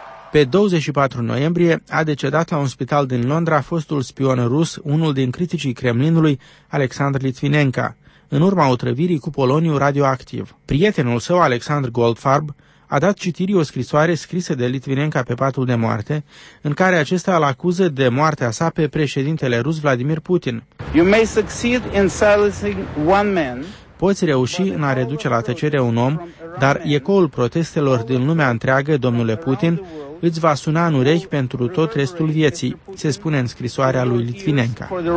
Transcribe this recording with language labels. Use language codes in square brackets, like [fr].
[ro] Pe 24 noiembrie a decedat la un spital din Londra fostul spion rus, unul din criticii Kremlinului, Alexandru Litvinenka, în urma otrăvirii cu poloniu radioactiv. Prietenul său, Alexandru Goldfarb, a dat citirii o scrisoare scrisă de Litvinenka pe patul de moarte, în care acesta îl acuză de moartea sa pe președintele rus Vladimir Putin. [en] You may succeed in silencing one man. [ro] Poți reuși în a reduce la tăcere un om, dar ecoul protestelor din lumea întreagă, domnule Putin, îți va suna în urechi pentru tot restul vieții, se spune în scrisoarea lui Litvinenka.